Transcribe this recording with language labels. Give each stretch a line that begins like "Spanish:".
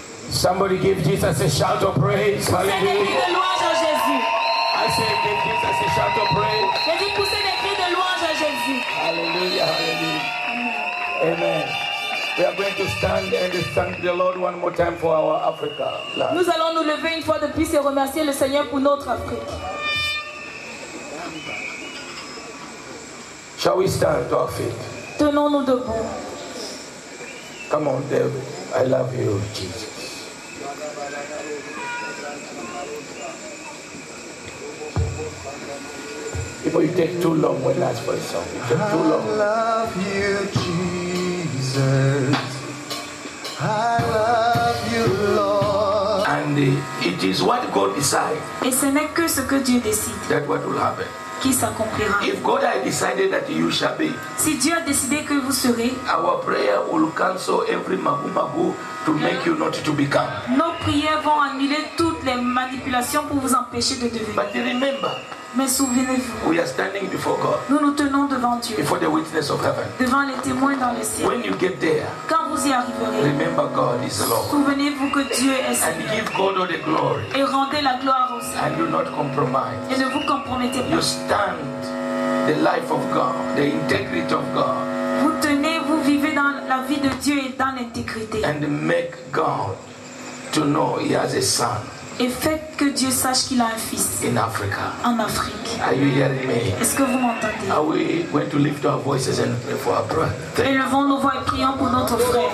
English: Somebody give Jesus a shout of praise. Hallelujah.
French: Poussez des cris de louange à Jésus.
English: I say give Jesus a shout of praise.
French: Je dis poussez des cris de louange à Jésus.
English: Hallelujah. Hallelujah. Amen. We are going to stand and thank the Lord one more time for our Africa. Land.
French: Nous allons nous lever une fois de plus et remercier le Seigneur pour notre Afrique.
English: Shall we stand to our feet?
French: Tenons-nous debout.
English: Come on, David. I love you, Jesus. If you take too long, we'll ask for a song. You take too long. I love you, Jesus. I love you, Lord. And it is what God decides.
French: Et ce n'est que ce que Dieu décide.
English: That what will happen.
French: Qui s'accomplira.
English: If God has decided that you shall be.
French: Si Dieu a décidé que vous serez.
English: Our prayer will cancel every magu-magu to make you not to become.
French: Nos prières vont annuler toutes les manipulations pour vous empêcher de devenir.
English: But remember.
French: Mais souvenez-vous,
English: we are standing before God,
French: nous nous tenons devant Dieu,
English: before the witness of heaven,
French: devant les témoins dans le ciel.
English: When you get there,
French: quand vous y arriverez,
English: remember God is Lord.
French: Souvenez-vous que Dieu est Seigneur.
English: And give God all the glory.
French: Et rendez la gloire au Seigneur.
English: And do not compromise.
French: Et ne vous compromettez pas.
English: You stand the life of God, the integrity of God.
French: Vous tenez, vous vivez dans la vie de Dieu et dans l'intégrité.
English: And make God to know He has a son.
French: Et faites que Dieu sache qu'il a un fils.
English: In Africa.
French: En Afrique.
English: Are you hearing me?
French: Est-ce que vous m'entendez?
English: Are we going to lift our voices and pray for our brother?
French: Élevons nos voix et prions pour notre frère.